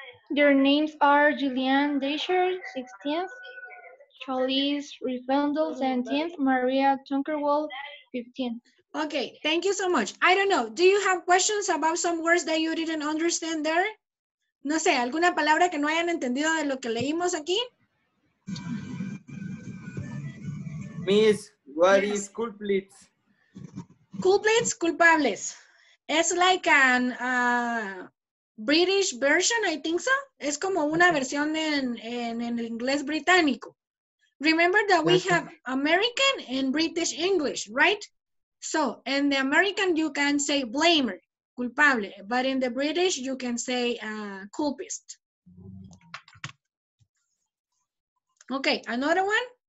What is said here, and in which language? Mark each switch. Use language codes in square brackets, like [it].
[en] Their names are Julianne Desher, 16th, Charlize Riefendel, 17th, Maria Tunkerwell, 15th. Okay, thank you so much. I don't know, do you have questions about some words that you didn't understand there? [es] No sé, alguna palabra que no hayan entendido de lo que leímos aquí? [en] Miss, what is culprit? Culprits, culpables. It's like an British version, I think so. [es] Es como una versión en el inglés británico. [en] Remember that we have American and British English, right? So, in the American, you can say blamer, culpable. But in the British, you can say culpist. Okay, another one.